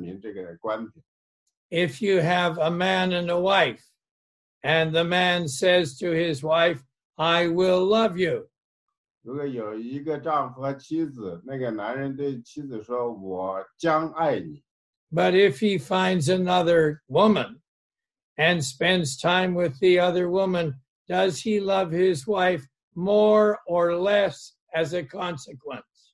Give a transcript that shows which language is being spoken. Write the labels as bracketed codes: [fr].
[zh] 我想呢，给大家一个讲一个例子。我讲的这个例子呢，可能会很强的证明这个观点。 [en] If you have a man and a wife, and the man says to his wife, I will love you. [zh] 如果有一个丈夫和妻子，那个男人对妻子说，我将爱你。 [en] But if he finds another woman, and spends time with the other woman, does he love his wife more or less as a consequence?